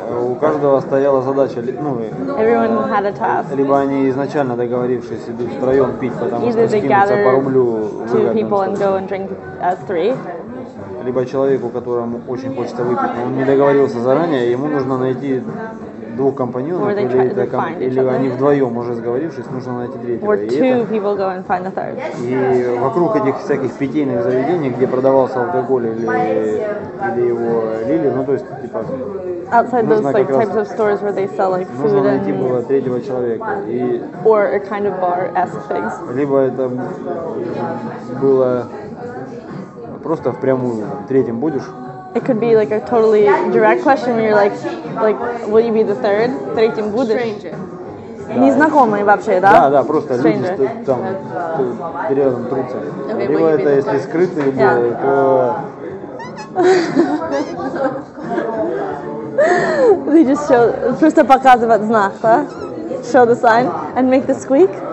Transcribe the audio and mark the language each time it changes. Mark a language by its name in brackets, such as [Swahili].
[Russian] У каждого стояла задача, ну, [English] everyone had a task. [Russian] Либо они изначально договорившись идут втроем пить, потому either что скинуться по рублю [English] two people and go and drink as three. [Russian] Либо человеку, которому очень хочется выпить, но он не договорился заранее, ему нужно найти двух компаньонов, или они вдвоем уже сговорившись, нужно найти третьего. И вокруг этих всяких питейных заведений, где продавался алкоголь или его лили, ну то есть типа [English] outside those like types of stores where they sell like food and [Russian] третьего человека и [English] or a kind of bar-esque things. [Russian] Либо это было просто впрямую третьим будешь. [English] It could be like a totally direct question when you're like will you be the third? [Russian] Третьим будешь? [English] Stranger. [Russian] Незнакомый вообще, да? Да, да, просто люди стоят там, рядом трутся. Либо это если скрытые были, то... [English] They just show... [Russian] Просто показывают знак, да? [English] Show the sign and make the squeak?